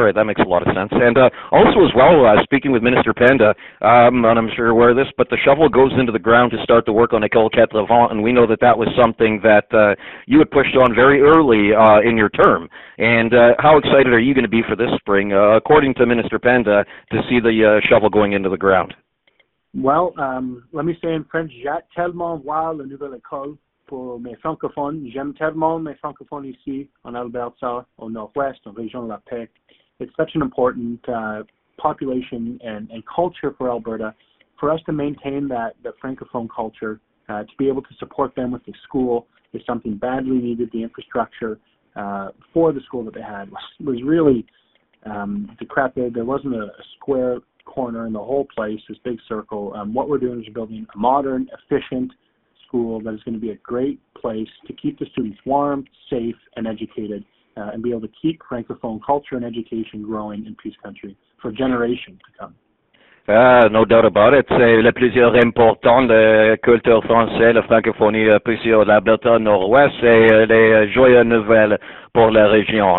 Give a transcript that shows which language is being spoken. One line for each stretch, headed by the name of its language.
English: That makes a lot of sense. And also as well, speaking with Minister Panda, and I'm sure you're aware of this, but the shovel goes into the ground to start the work on École Quatre-Vents, and we know that that was something that you had pushed on very early in your term. And how excited are you going to be for this spring, according to Minister Panda, to see the shovel going into the ground? Well, let me say in French,
French: j'ai tellement voir la nouvelle école pour mes francophones. J'aime tellement mes francophones ici en Alberta, au nord-ouest, en région de la Paix.
English: It's such an important population and culture for Alberta, for us to maintain that francophone culture, to be able to support them with the school is something badly needed. The infrastructure for the school that they had was really decrepit. There wasn't a square corner in the whole place, this big circle. What we're doing is building a modern, efficient school that is going to be a great place to keep the students warm, safe, and educated, and be able to keep Francophone culture and education growing in Peace Country for generations to come. No doubt about it.
French: C'est le plus important, la culture française, la francophonie, plusieurs, l'Alberta Nord-Ouest, c'est les joyeuses nouvelles pour la région.